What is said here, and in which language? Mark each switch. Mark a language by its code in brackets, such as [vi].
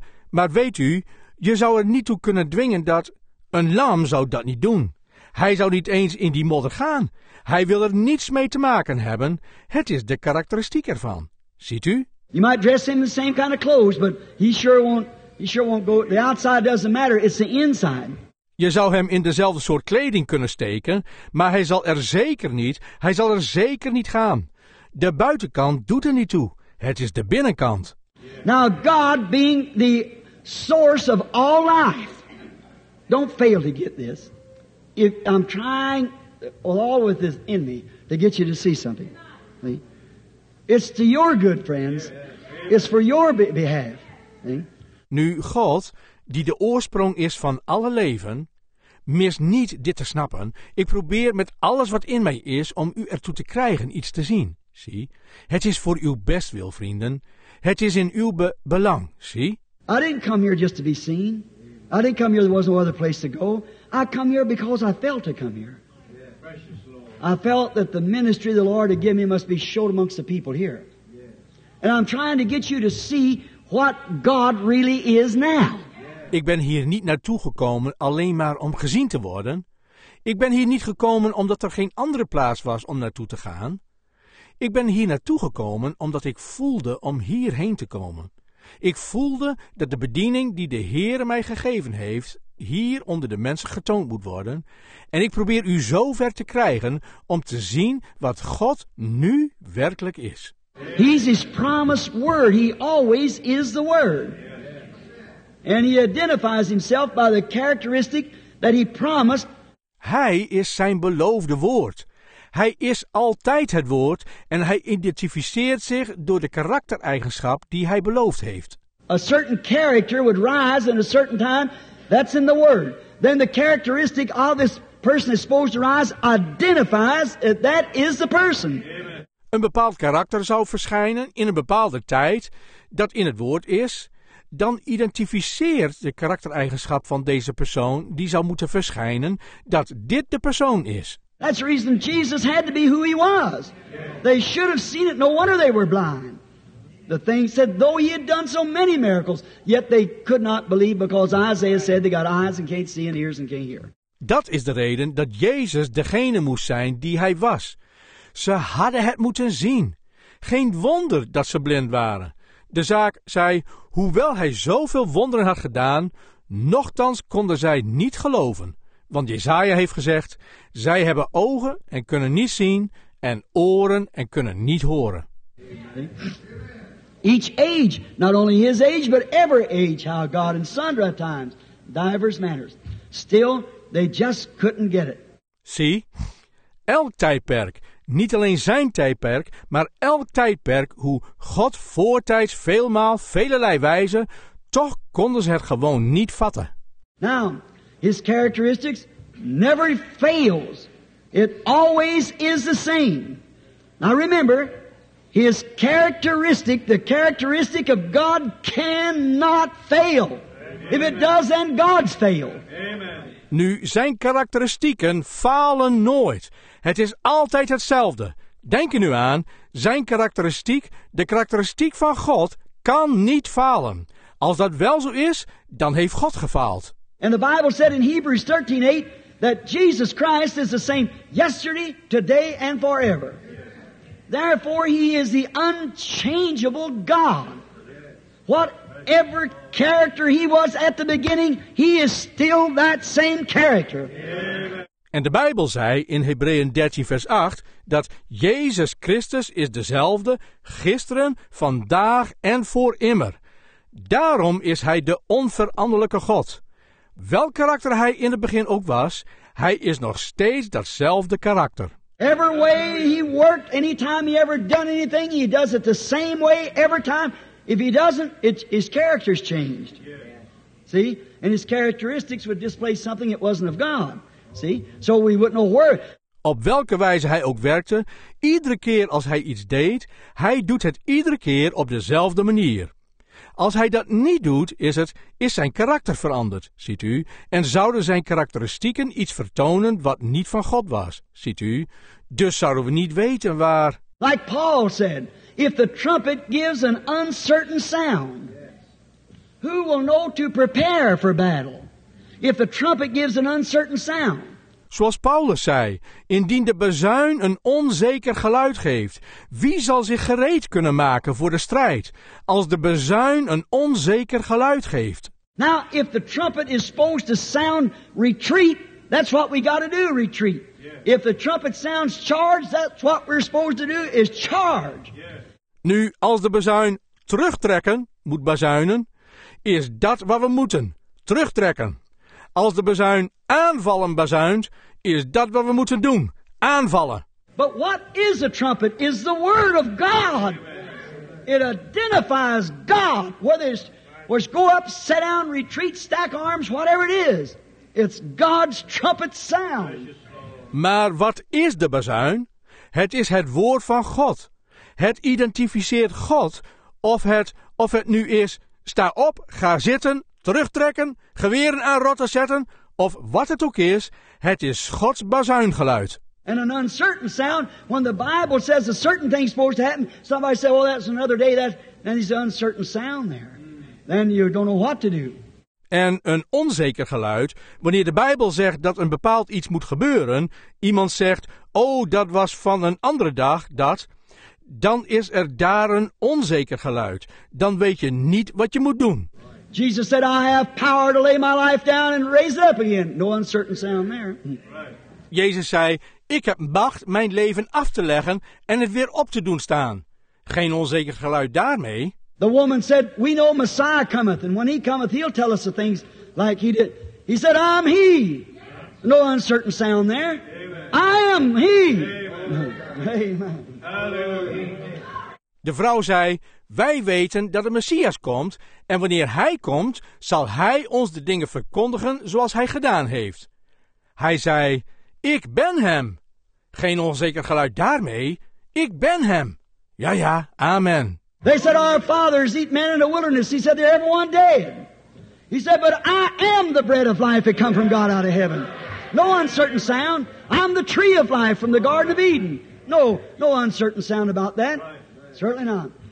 [nl] Maar weet u, je zou er niet toe kunnen dwingen dat een lam zou dat niet doen. Hij zou niet eens in die modder gaan. Hij wil er niets mee te maken hebben. Het is de karakteristiek ervan. Ziet u? [en] You might dress him in the same kind of clothes, but he sure won't go. The outside doesn't matter. It's the inside. [nl] Je zou hem in dezelfde soort kleding kunnen steken, maar hij zal er zeker niet gaan. De buitenkant doet er niet toe. Het is de binnenkant. [en] Now God being the source of all life. Don't fail to get this. If I'm trying all with this in me to get you to see something. See? It's to your good, friends. It's for your behalf. See? [nl] Nu God, die de oorsprong is van alle leven, mis niet dit te snappen. Ik probeer met alles wat in mij is om u ertoe te krijgen iets te zien. Zie, het is voor uw bestwil, vrienden. Het is in uw belang. Zie. [en] I didn't come here just to be seen. I didn't come here. There was no other place to go. I come here because I felt to come here. Yeah, precious Lord. I felt that the ministry the Lord had given me must be showed amongst the people here. Yeah. And I'm trying to get you to see what God really is now. [nl] Ik ben hier niet naartoe gekomen alleen maar om gezien te worden. Ik ben hier niet gekomen omdat er geen andere plaats was om naartoe te gaan. Ik ben hier naartoe gekomen omdat ik voelde om hierheen te komen. Ik voelde dat de bediening die de Heere mij gegeven heeft, hier onder de mensen getoond moet worden. En ik probeer u zo ver te krijgen om te zien wat God nu werkelijk is. [en] He's his promised word. He always is the word. And he identifies himself by the characteristic that he promised. [nl] Hij is zijn beloofde woord. Hij is altijd het woord en hij identificeert zich door de karaktereigenschap die hij beloofd heeft. [en] A certain character would rise in a certain time. That's in the word. Then the characteristic of this person is supposed to rise identifies that is the person. [nl] Een bepaald karakter zou verschijnen in een bepaalde tijd dat in het woord is. Dan identificeert de karaktereigenschap van deze persoon die zou moeten verschijnen dat dit de persoon is. [en] That's the reason Jesus had to be who he was. They should have seen it. No wonder they were blind. The thing said, though he had done so many miracles, yet they could not believe because Isaiah said they got eyes and can't see and ears and can't hear. [nl] Dat is de reden dat Jezus degene moest zijn die hij was. Ze hadden het moeten zien. Geen wonder dat ze blind waren. De zaak zei, hoewel hij zoveel wonderen had gedaan, nochtans konden zij niet geloven. Want Jesaja heeft gezegd, zij hebben ogen en kunnen niet zien en oren en kunnen niet horen. [en] Each age, not only his age, but every age, how God in sundry times, divers manners. Still, they just couldn't get it. [nl] Zie, elk tijdperk. Niet alleen zijn tijdperk, maar elk tijdperk hoe God voortijds veelmaal velerlei wijzen, toch konden ze het gewoon niet vatten. [en] Now, his characteristics never fails. It always is the same. Now remember, his characteristic, the characteristic of God cannot fail. Amen. If it does, then God's failed. Amen. [nl] Nu, zijn karakteristieken falen nooit. Het is altijd hetzelfde. Denk er nu aan, zijn karakteristiek, de karakteristiek van God, kan niet falen. Als dat wel zo is, dan heeft God gefaald. [en] And the Bible said in Hebrews 13:8 that Jesus Christ is the same yesterday, today and forever. Therefore he is the unchangeable God. Whatever character he was at the beginning, he is still that same character. [nl] En de Bijbel zei in Hebreeën 13 vers 8 dat Jezus Christus is dezelfde gisteren, vandaag en voor immer. Daarom is hij de onveranderlijke God. Welk karakter hij in het begin ook was, Hij is nog steeds datzelfde karakter. [en] Every way he worked, any time he ever done anything, he does it the same way every time. If he doesn't, his character's changed. See? And his characteristics would display something it wasn't of God. See? So we wouldn't know where. [nl] Op welke wijze hij ook werkte, iedere keer als hij iets deed, hij doet het iedere keer op dezelfde manier. Als hij dat niet doet, is zijn karakter veranderd, ziet u, en zouden zijn karakteristieken iets vertonen wat niet van God was, ziet u. Dus zouden we niet weten waar. [en] Like Paul said, if the trumpet gives an uncertain sound, who will know to prepare for battle? If the trumpet gives an uncertain sound. [nl] Zoals Paulus zei, indien de bazuin een onzeker geluid geeft, wie zal zich gereed kunnen maken voor de strijd, als de bazuin een onzeker geluid geeft? [en] Now, if the trumpet is supposed to sound retreat, that's what we got to do, retreat. Yes. If the trumpet sounds charge, that's what we're supposed to do, is charge. Yes. [nl] Nu, als de bazuin terugtrekken moet bazuinen, is dat wat we moeten, terugtrekken. Als de bazuin aanvallen bazuint, is dat wat we moeten doen. Aanvallen. [en] But what is a trumpet? Is the word of God. It identifies God. Whether it's go up, sit down, retreat, stack arms, whatever it is. It's God's trumpet sound. [nl] Maar wat is de bazuin? Het is het woord van God. Het identificeert God. Of het nu is, sta op, ga zitten, terugtrekken, geweren aan rotten zetten, of wat het ook is, het is Gods bazuingeluid. [en] And an uncertain sound, when the Bible says a certain thing is supposed to happen, somebody says, well, that's another day, then there's an uncertain sound there. Then you don't know what to do. [nl] En een onzeker geluid, wanneer de Bijbel zegt dat een bepaald iets moet gebeuren, iemand zegt, oh, dat was van een andere dag, dat, dan is er daar een onzeker geluid. Dan weet je niet wat je moet doen. [en] Jesus said, I have power to lay my life down and raise it up again. No uncertain sound there. Right. [nl] Jezus zei, ik heb macht mijn leven af te leggen en het weer op te doen staan. Geen onzeker geluid daarmee. [en] The woman said, we know Messiah cometh, and when he cometh, he'll tell us the things like he did. He said, I'm he. No uncertain sound there. Amen. I am he. Amen. Amen. [nl] De vrouw zei, wij weten dat de Messias komt en wanneer hij komt, zal hij ons de dingen verkondigen zoals hij gedaan heeft. Hij zei, ik ben hem. Geen onzeker geluid daarmee, ik ben hem. Ja, ja, amen. [en] They said, our fathers eat men in the wilderness. He said, they're everyone dead. He said, but I am the bread of life that come from God out of heaven. No uncertain sound. I'm the tree of life from the Garden of Eden. No uncertain sound about that. Certainly not.